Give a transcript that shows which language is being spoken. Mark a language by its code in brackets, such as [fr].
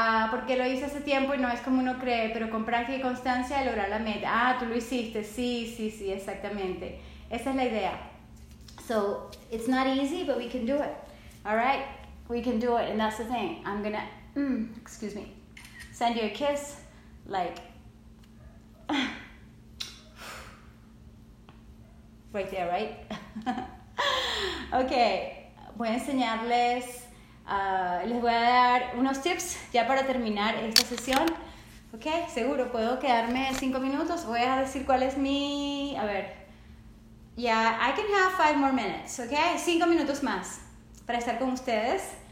[es] Porque lo hice hace tiempo y no es como uno cree, pero con práctica y constancia de lograr la meta. Ah, tú lo hiciste. Sí, exactamente. Esa es la idea. [en] So, it's not easy, but we can do it. All right? We can do it, and that's the thing. I'm gonna, excuse me, send you a kiss, like, right there, right? [es] Okay, voy a enseñarles. Les voy a dar unos tips ya para terminar esta sesión. Ok, seguro puedo quedarme 5 minutos. Voy a decir cuál es mi. A ver. [en] Yeah, I can have 5 more minutes. Ok, [es] 5 minutos más para estar con ustedes.